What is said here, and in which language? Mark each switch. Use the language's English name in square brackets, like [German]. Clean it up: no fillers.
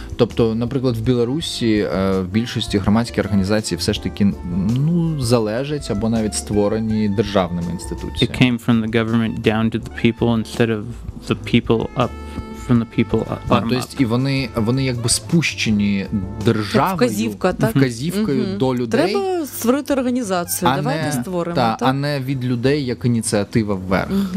[Ukrainian] Тобто, наприклад, в Білорусі в більшості громадські організації все ж таки, ну, залежать або навіть створені державними інституціями. [English] It came from the government down to the people instead of the people up. From the people bottom up. [Ukrainian] І вони якби спущені державою, вказівкою до людей. Треба створити організацію, давайте створимо. Так, а не від людей, як ініціатива вверх.